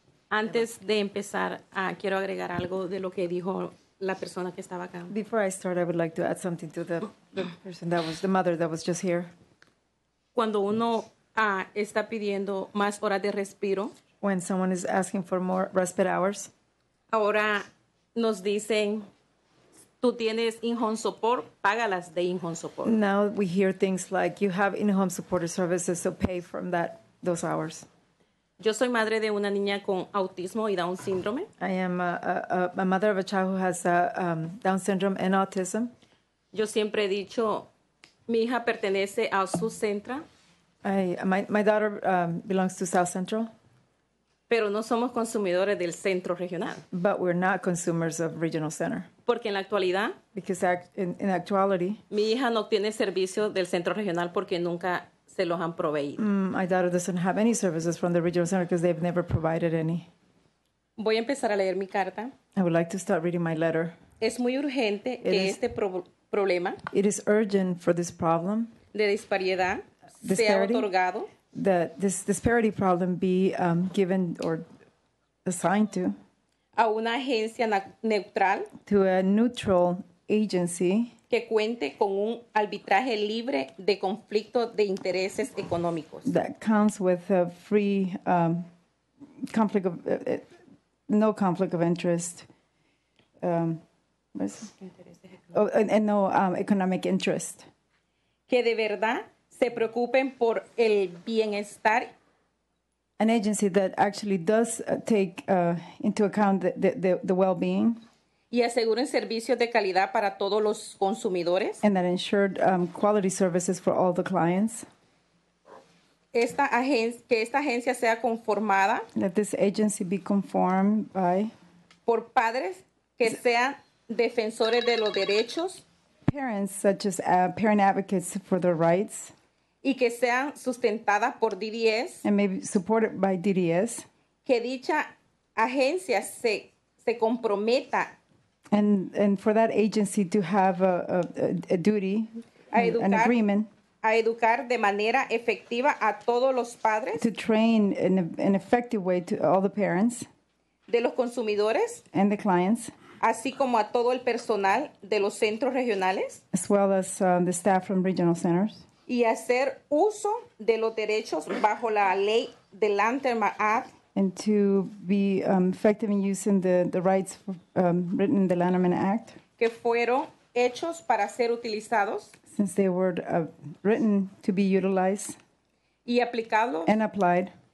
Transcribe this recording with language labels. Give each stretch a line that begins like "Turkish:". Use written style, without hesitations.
Spanish: Antes de empezar, quiero agregar algo de lo que dijo la persona que estaba acá.
English: Before I start, I would like to add something to the person that was, the mother that was just here.
Spanish: Cuando uno está pidiendo más horas de respiro.
English: When someone is asking for more respite hours.
Spanish: Ahora nos dicen, tú tienes in-home support, págalas de in-home support.
English: Now we hear things like, you have in-home support services, so pay from that those hours.
Spanish: Yo soy madre de una niña con autismo y Down síndrome.
English: I am a mother of a child who has Down syndrome and autism.
Spanish: Yo siempre he dicho, mi hija pertenece a South Central.
English: My daughter belongs to South Central.
Spanish: Pero no somos consumidores del centro regional.
English: But we're not consumers of regional center.
Spanish: Porque en la actualidad.
English: Because in actuality.
Spanish: Mi hija no tiene servicio del centro regional porque nunca. Se los han proveído.
English: My daughter doesn't have any services from the regional center because they've never provided any.
Spanish: Voy a empezar a leer mi carta.
English: I would like to start reading my letter.
Spanish: Es muy urgente it que is, este problema.
English: It is urgent for this problem.
Spanish: De disparidad sea otorgado.
English: That this disparity problem be given or assigned to.
Spanish: A una agencia neutral.
English: To a neutral agency.
Spanish: Que cuente con un arbitraje libre de conflicto de intereses económicos.
English: That counts with a free conflict of no conflict of interest. Economic interest.
Spanish: Que de verdad se preocupen por el bienestar.
English: An agency that actually does take into account the well-being.
Spanish: Y aseguren servicios de calidad para todos los consumidores.
English: And that ensured quality services for all the clients.
Spanish: Que esta agencia sea conformada.
English: Let this agency be conformed by.
Spanish: Por padres que sean defensores de los derechos.
English: Parents such as parent advocates for their rights.
Spanish: Y que sean sustentadas por DDS.
English: And maybe supported by DDS.
Spanish: Que dicha agencia se comprometa.
English: And for that agency to have a duty, an agreement.
Spanish: A educar de manera efectiva a todos los padres.
English: To train in an effective way to all the parents.
Spanish: De los consumidores.
English: And the clients.
Spanish: Así como a todo el personal de los centros regionales.
English: As well as the staff from regional centers.
Spanish: Y hacer uso de los derechos bajo la ley de Lanterma Act.
English: And to be effective in using the rights written in the Lanham Act.
Spanish: Que fueron hechos para ser utilizados.
English: Since they were written to be utilized.
Spanish: Y aplicado.
English: And applied.